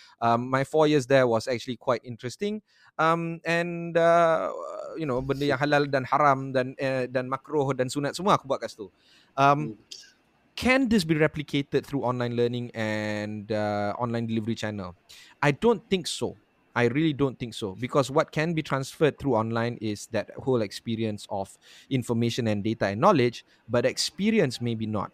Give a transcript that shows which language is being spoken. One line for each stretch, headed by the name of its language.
English: My 4 years there was actually quite interesting.
Malay: Benda yang halal dan haram dan makruh dan sunat semua aku buat kat situ.
English: Can this be replicated through online learning and online delivery channel? I don't think so. I really don't think so. Because what can be transferred through online is that whole experience of information and data and knowledge, but experience maybe not.